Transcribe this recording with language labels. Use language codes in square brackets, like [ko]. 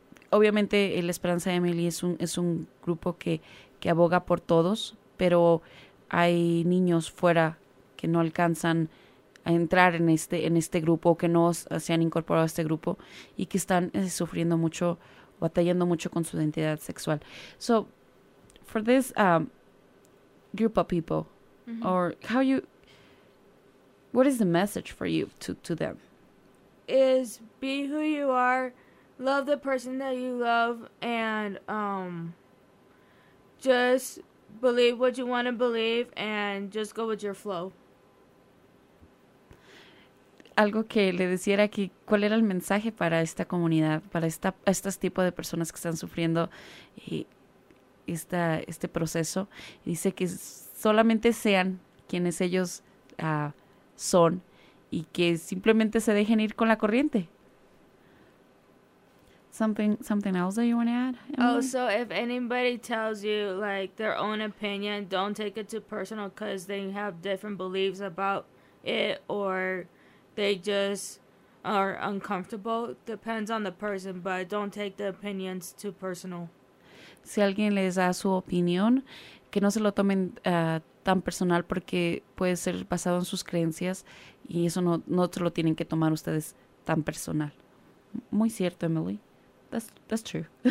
[es] Obviamente, La Esperanza de Emily es un grupo que aboga por todos, pero hay niños fuera que no alcanzan a entrar en este grupo, que no se han incorporado a este grupo y que están sufriendo mucho, batallando mucho con su identidad sexual. [en] So, for this group of people, mm-hmm. or what is the message for you to them? Is be who you are. Love the person that you love, and just believe what you want to believe, and just go with your flow. [es] Algo que le decía era que cuál era el mensaje para esta comunidad, para estos tipos de personas que están sufriendo este proceso. Dice que solamente sean quienes ellos son, y que simplemente se dejen ir con la corriente. [en] Something else that you want to add, Emily? Oh, so if anybody tells you, like, their own opinion, don't take it too personal because they have different beliefs about it, or they just are uncomfortable. Depends on the person, but don't take the opinions too personal. [es] Si alguien les da su opinión, que no se lo tomen tan personal, porque puede ser basado en sus creencias, y eso no se lo tienen que tomar ustedes tan personal. Muy cierto, Emily. [en] that's true.